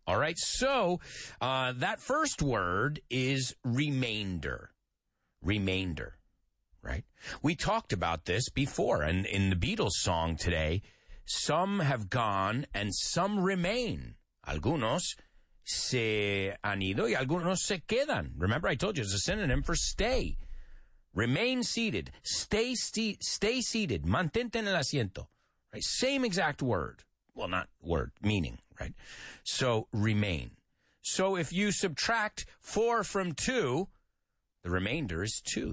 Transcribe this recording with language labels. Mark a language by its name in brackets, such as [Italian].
[English] All right, so that first word is remainder. Remainder, right? We talked about this before, and in the Beatles song today, some have gone and some remain. [Spanish] Algunos se han ido y algunos se quedan. [English] Remember, I told you, it's a synonym for stay. Remain seated. Stay seated. [Spanish] Mantente en el asiento. [English] Right? Same exact word. Well, not word, meaning, right? So, remain. So, if you subtract 4 from 2, the remainder is 2.